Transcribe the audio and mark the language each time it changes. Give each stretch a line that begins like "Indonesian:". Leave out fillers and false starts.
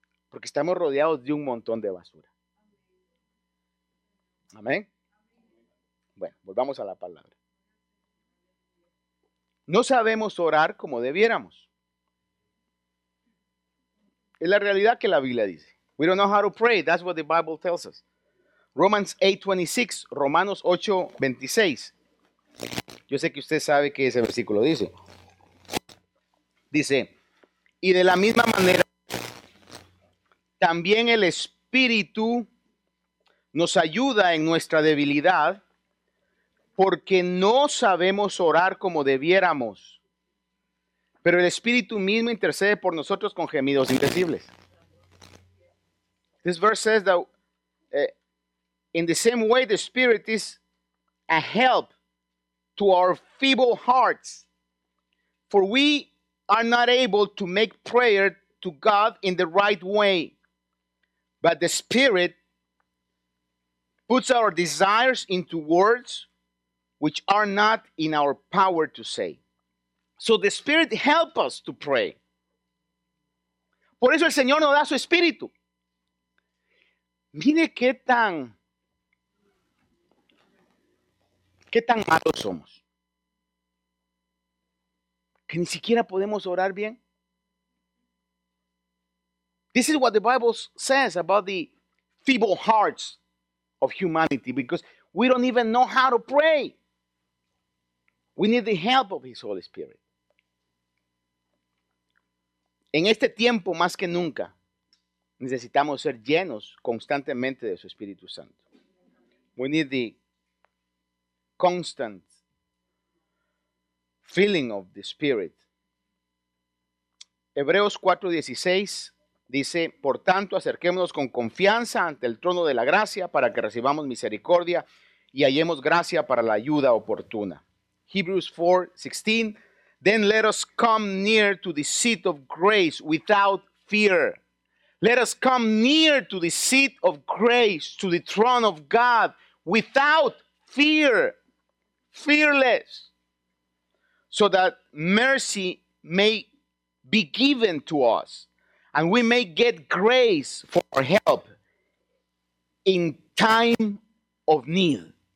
Spanish: Porque estamos rodeados de un montón de basura. ¿Amén? Bueno, volvamos a la palabra. No sabemos orar como debiéramos. Es la realidad que la Biblia dice.
English: We don't know how to pray. That's what the Bible tells us. Romans 8:26, Romanos 8:26.
Spanish: Yo sé que usted sabe que ese versículo dice. Dice, y de la misma manera, también el Espíritu nos ayuda en nuestra debilidad, porque no sabemos orar como debiéramos. Pero el Espíritu mismo intercede por nosotros con gemidos indecibles.
English: This verse says that, in the same way, the Spirit is a help to our feeble hearts. For we are not able to make prayer to God in the right way. But the Spirit puts our desires into words which are not in our power to say. So the Spirit helps us to pray.
Spanish: Por eso el Señor nos da su Espíritu. Mire qué tan... ¿qué tan malos somos? ¿Que ni siquiera podemos orar bien?
English: This is what the Bible says about the feeble hearts of humanity, because we don't even know how to pray. We need the help of His Holy Spirit.
Spanish: En este tiempo, más que nunca, necesitamos ser llenos constantemente de su Espíritu Santo.
English: We need the constant filling of the Spirit.
Spanish: Hebreos 4:16 dice, por tanto, acerquémonos con confianza ante el trono de la gracia para que recibamos misericordia y hallemos gracia para la ayuda oportuna.
English: Hebrews 4:16, then let us come near to the seat of grace without fear. Let us come near to the seat of grace, to the throne of God without fear. Fearless, so that mercy may be given to us, and we may get grace for help in time of need.